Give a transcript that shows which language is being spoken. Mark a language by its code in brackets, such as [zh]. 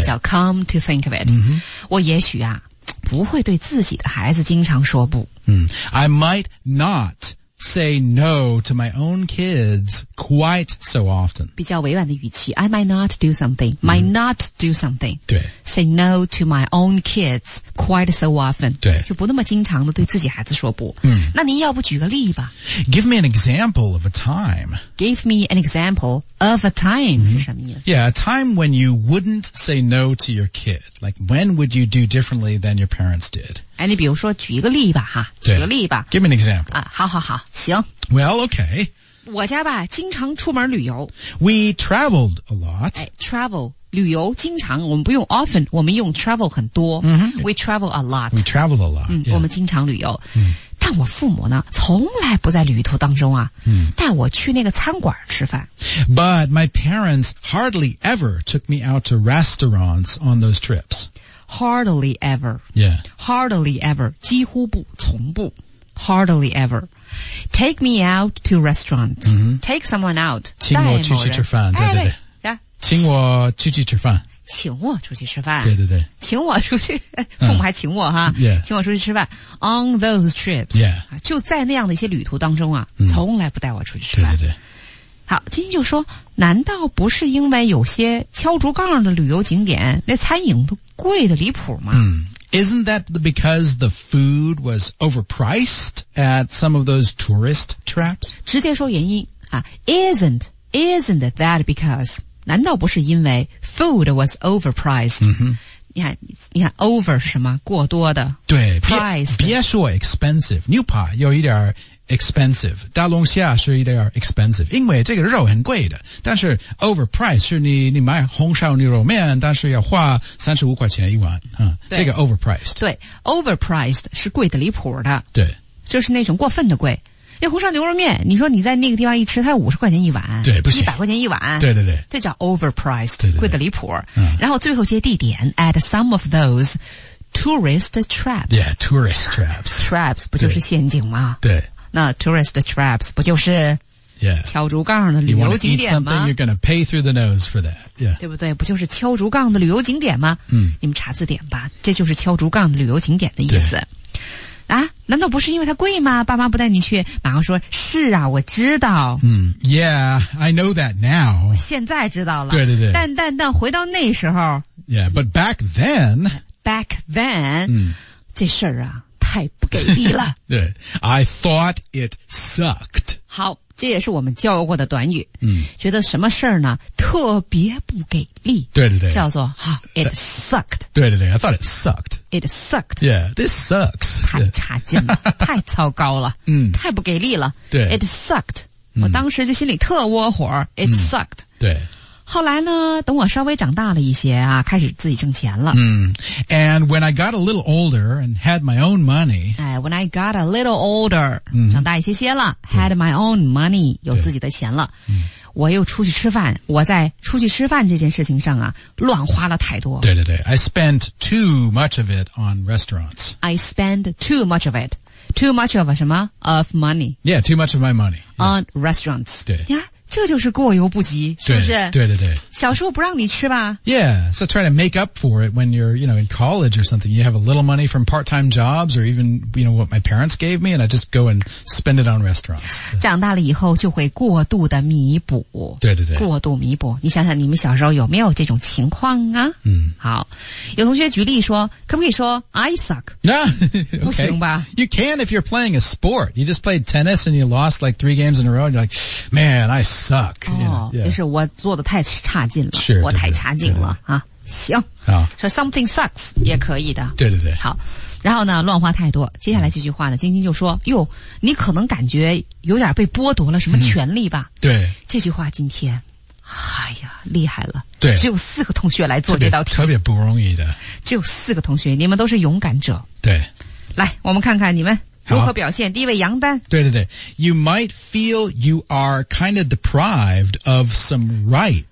[zh] 叫 [en] come to think of it、 [zh] 我也许啊不会对自己的孩子经常说不、 [en] I might notsay no to my own kids quite so often. [zh] 比较委婉的语气 [en] I might not do something, might not do something. [zh] 对 [en] Say no to my own kids quite so often. [zh] 对就不那么经常的对自己孩子说不。那您要不举个例吧 [en] Give me an example of a time. Give me an example of a time. [zh] 是什么意思 [en] Yeah, a time when you wouldn't say no to your kid. Like when would you do differently than your parents did? [zh] 哎，你比如说举一个例吧哈，举个例吧。 [en] Give me an example. [zh] 啊，好好好，行。 [en] Well, okay. [zh] 我家吧，经常出门旅游。 [en] We traveled a lot. [zh] 哎，travel 旅游经常，我们不用 often， 我们用 travel 很多。 [en] We travel a lot. We traveled a lot. [zh] 我们经常旅游。但我父母呢，从来不在旅途当中啊，带我去那个餐馆吃饭。 [en] But my parents hardly ever took me out to restaurants on those trips. Hardly ever. Yeah. Hardly ever. [zh] 几乎不从不 [en] Hardly ever. Take me out to restaurants.、Take someone out. [zh] 请我出去吃饭、哎、对对对、 [en] yeah. [zh] 请我出去吃饭请我出去吃饭对对对请我出去父母还请我哈、 [en] yeah. [zh] 请我出去吃饭 [en] On those trips. Yeah. [zh] 就在那样的一些旅途当中啊、从来不带我出去吃饭对对对好今天就说难道不是因为有些敲竹杠的旅游景点那餐饮都贵得离谱吗、 [en] Isn't that because the food was overpriced at some of those tourist traps? [zh] 直接说原因、 [en] Isn't that because [zh] 难道不是因为 [en] food was overpriced、 [zh] 你看 over 是什么过多的对 [en] priced [zh] 别说 expensive 你怕有一点expensive 大龙虾是一点 expensive 因为这个肉很贵的但是 overpriced 是你买红烧牛肉面但是要花35块钱一碗、这个 overpriced 对 overpriced 是贵得离谱的对就是那种过分的贵那红烧牛肉面你说你在那个地方一吃它50块钱一碗对不行 100块钱一碗对对对这叫 overpriced 对对对贵得离谱、然后最后接地点 [en] at some of thoseTourist traps. Yeah, tourist traps. [zh] Traps 不就是陷阱吗？对。那 tourist traps 不就是敲竹杠的旅游景点吗 [en] ？You want to eat something? You're gonna pay through the nose for that. Yeah. [zh] 对不对？不就是敲竹杠的旅游景点吗？你们查字典吧，这就是敲竹杠的旅游景点的意思。啊，难道不是因为它贵吗？爸妈不带你去？马上说，是啊，我知道。 [en] Yeah, I know that now. [zh] 现在知道了。对对对。但回到那时候。 [en] Yeah, but back then. Back then, [zh] 这事儿啊太不给力了。 [en] 对 ,I thought it sucked. [zh] 好这也是我们教过的短语。觉得什么事儿呢特别不给力。对对对。叫做好 , [en] it sucked. 对对对 ,I thought it sucked. It sucked. Yeah, this sucks. [zh] 太差劲了太糟糕了太不给力了。对。 [en] It sucked. [zh] 我当时就心里特窝火 , [en] it sucked. [zh] 对。后来呢，等我稍微长大了一些啊，开始自己挣钱了。 Mm. [en] And when I got a little older and had my own money. When I got a little older,、mm-hmm. [zh] 长大一些些了 [en] ,had my own money, [zh] 有自己的钱了。我又出去吃饭，我在出去吃饭这件事情上啊，乱花了太多。对对对 [en] ,I spent too much of it on restaurants. I spend too much of it. Too much of [zh] 什么 [en] ?of money. Yeah, too much of my money.、 Yeah. On restaurants. [zh] 对。这就是过犹不及，是不是？对对对。小时候不让你吃吧 [en] ？Yeah, so try to make up for it when you're, you know, in college or something. You have a little money from part-time jobs, or even, you know, what my parents gave me, and I just go and spend it on restaurants. [zh] 长大了以后就会过度的弥补。对对对。过度弥补，你想想你们小时候有没有这种情况啊？嗯。好，有同学举例说，可不可以说 [en] I suck？ [zh] 那、okay. 不行吧 [en] ？You can if you're playing a sport. You just played tennis and you lost like 3 games in a row. You're like, man, I suck. Suck, you know, yeah. [zh] 就是我做的太差劲了 [en] sure, [zh] 我太差劲了对对对啊，行好说 something sucks 也可以的对对对好然后呢乱花太多接下来这句话呢晶晶就说哟你可能感觉有点被剥夺了什么权利吧、嗯、对这句话今天哎呀厉害了对只有四个同学来做这道题特别不容易的只有四个同学你们都是勇敢者对来我们看看你们如何表现？第一位杨丹。对对对 [en] ，You might feel you are kind of deprived of some rights.